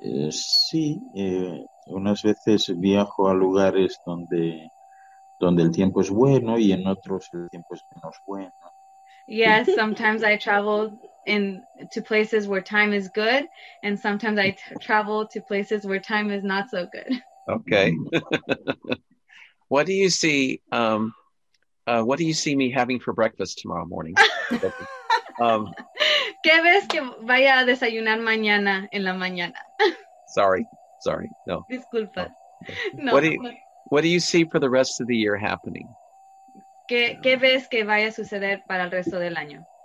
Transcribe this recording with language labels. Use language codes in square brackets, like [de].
[es] Sí, unas veces viajo a lugares donde el tiempo es bueno y en otros el tiempo es menos bueno. [en] Yes, sometimes I travel to places where time is good, and sometimes I travel to places where time is not so good. Okay. What do you see me having for breakfast tomorrow morning? [es] ¿Qué ves que vaya a desayunar mañana en la mañana? [en] Sorry, no. [es] Disculpa. No. [en] What do you see for the rest of the year happening? [es] ¿Qué ves que vaya a suceder para el resto del año?